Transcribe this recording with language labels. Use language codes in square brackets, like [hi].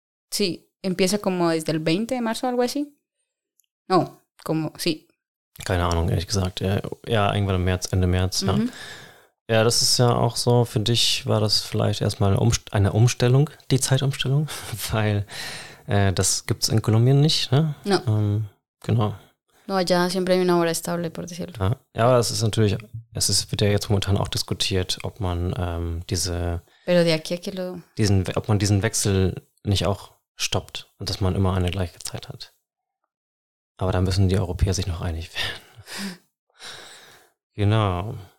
[es] sí, empieza como desde el 20 de marzo, algo así. No, como, sí. [de] Keine Ahnung, ehrlich gesagt. Ja, irgendwann im März, Ende März, ja. Ja, das ist ja auch so, für dich war das vielleicht erstmal eine Umstellung, die Zeitumstellung, weil das gibt es in Kolumbien nicht, ne? [es] No. [de] Genau. [es] No, allá siempre hay una hora estable, por decirlo. [de] Ja, aber es ist natürlich, wird ja jetzt momentan auch diskutiert, ob man diese... [es] Pero de aquí a que lo... [de] ob man diesen Wechsel nicht auch stoppt und dass man immer eine gleiche Zeit hat. Aber da müssen die Europäer sich noch einig werden. Genau.